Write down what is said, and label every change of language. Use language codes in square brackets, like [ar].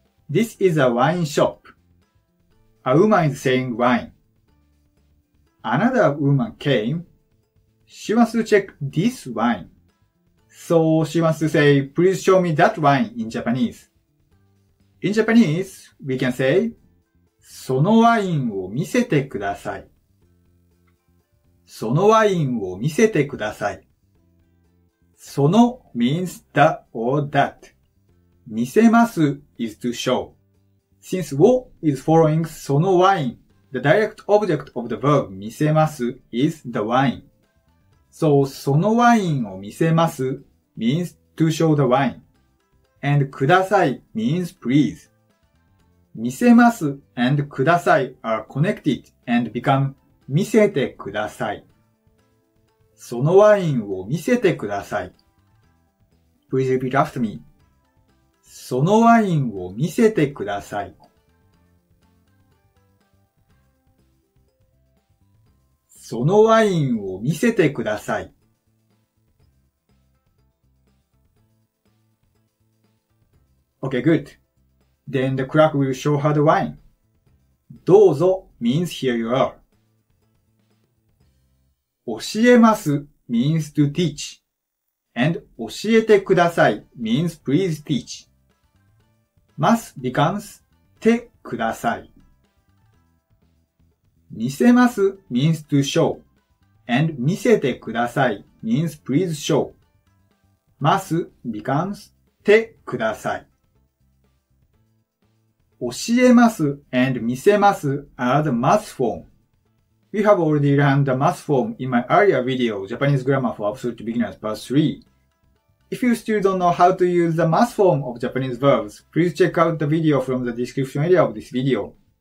[en] This is a wine shop. A woman is selling wine. Another woman came. She wants to check this wine. So she wants to say, please show me that wine in Japanese. In Japanese, we can say, [ja] そのワインを見せてください。そのワインを見せてください。 [en] その means the or that. 見せます is to show. Since を is following そのワイン, the direct object of the verb 見せます is the wine. So, [ja] そのワインを見せます [en] means to show the wine. And ください means please. 見せます and ください are connected and become 見せてください。 [ja] そのワインを見せてください。 [en] Please repeat after me. [ja] そのワインを見せてください。そのワインを見せてください。 [en] Okay, good. Then the clerk will show her the wine. どうぞ means here you are. 教えます means to teach. And 教えてください means please teach. ます becomes てください。見せます means to show. And 見せてください means please show. ます becomes てください。教えます and 見せます are the must form. We have already learned the must form in my earlier video, Japanese Grammar for Absolute Beginners Part 3. If you still don't know how to use the must form of Japanese verbs, please check out the video from the description area of this video.